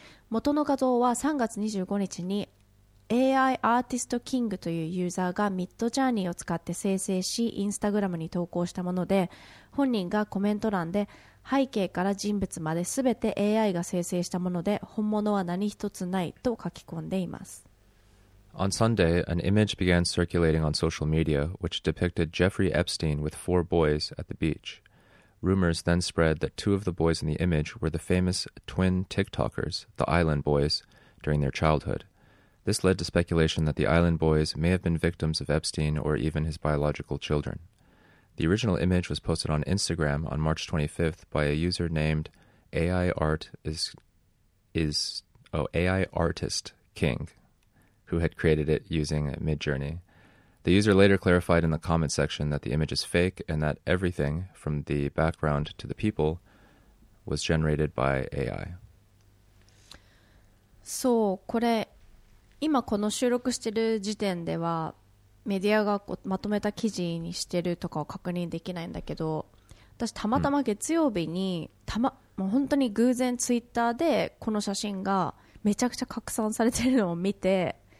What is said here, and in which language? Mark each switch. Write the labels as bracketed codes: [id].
[ja] 元の画像は3月25日にAI アーティストキングというユーザーがミッドジャーニーを使って生成し、インスタグラムに投稿したもので、本人がコメント欄で、背景から人物まで全て AI が生成したもので、本物は何一つないと書き込んでいます。 [en] On Sunday, an image began circulating on social media which depicted Jeffrey Epstein with four boys at the beach. Rumors then spread that two of the boys in the image were the famous twin TikTokers, the Island Boys, during their childhood. This led to speculation that the island boys may have been victims of Epstein or even his biological children. The original image was posted on Instagram on March 25th by a user named AI Artist King, who had created it using Midjourney. The user later clarified in the comment section that the image is fake and that everything, from the background to the people, was generated by AI. [ja] So, これ今この収録している時点ではメディアがこうまとめた記事にしてるとかは確認できないんだけど、私たまたま月曜日にもう本当に偶然ツイッターでこの写真がめちゃくちゃ拡散されてるのを見て、